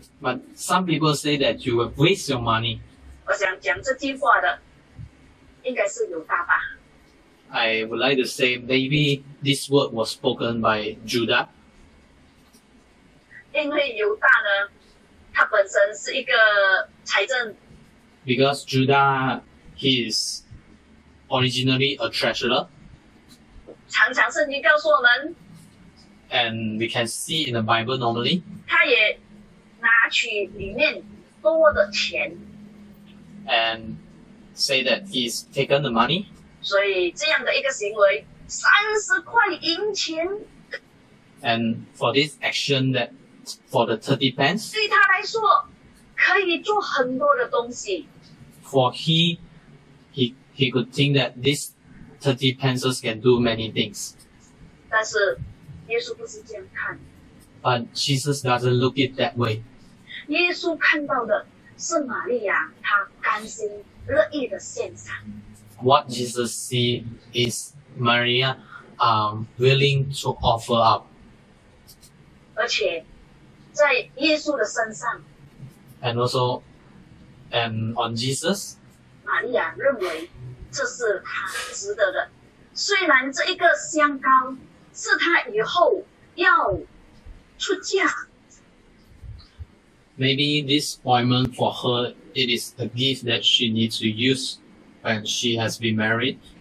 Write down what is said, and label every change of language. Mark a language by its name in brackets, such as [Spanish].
[English] but some people say that you will waste your money. [Chinese] 我想讲这句话的应该是犹大吧。 [English] I would like to say maybe this word was spoken by Judah. [Chinese] 因为犹大呢,他本身是一个财政, [English] because Judah, he is originally a treasurer. [Chinese] 常常圣经告诉我们, [English] and we can see in the Bible normally, [Chinese] 他也拿取里面多的钱, [English] and say that he's taken the money. [Chinese] 所以这样的一个行为, 30块银钱, [English] and for this action that for the 30 pence, [Chinese] 对他来说, 可以做很多的东西。 [English] For he could think that this 30 pences can do many things. [Chinese] 但是耶稣不是这样看, [English] but Jesus doesn't look it that way. [Chinese] 耶稣看到的是玛利亚她甘心乐意的献上。 [English] What Jesus see is Maria willing to offer up. [Chinese] 而且在耶稣的身上, [English] and also on Jesus, [Chinese] 玛利亚认为这是她值得的。虽然这一个香膏是她以后要出嫁, [English] maybe this ointment for her, it is a gift that she needs to use when she has been married,